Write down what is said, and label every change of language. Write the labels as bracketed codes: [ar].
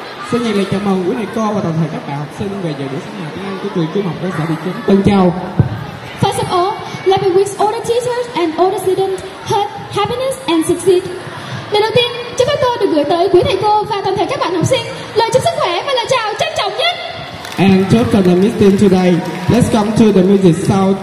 [vi] Xin nhiệt liệt chào mừng quý thầy cô và toàn thể các bạn học sinh về giờ buổi sáng nào tiếng Anh của trường trung học cơ sở thị trấn Tân Châu. [en] First of all, let me wish all the teachers and all the students health, happiness and success. [vi] Lời đầu tiên, chúc phép tôi được gửi tới quý thầy cô và toàn thể các bạn học sinh lời chúc sức khỏe và lời chào trân trọng nhất. [en] And just for the meeting today, let's come to the music sound.